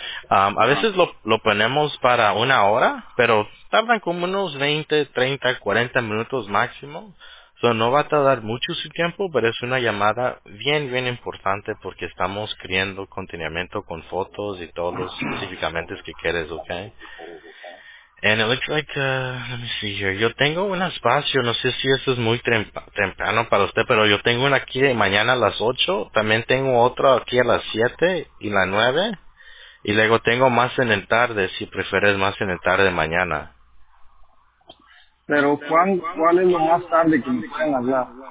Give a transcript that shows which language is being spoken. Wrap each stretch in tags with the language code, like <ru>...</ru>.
<es>A veces lo ponemos para una hora, pero tardan como unos 20, 30, 40 minutos máximo. So, no va a tardar mucho su tiempo, pero es una llamada bien, bien importante porque estamos creando contenimiento con fotos y todos los específicamente que quieres, ¿ok?</es> <en>And it looks like, let me see here.</en> <es>Yo tengo un espacio, no sé si eso es muy temprano para usted, pero yo tengo una aquí de mañana a las 8, también tengo otra aquí a las 7 y la 9, y luego tengo más en el tarde, si prefieres más en el tarde mañana. Pero, ¿cuál es lo más tarde que me pueden hablar?</es>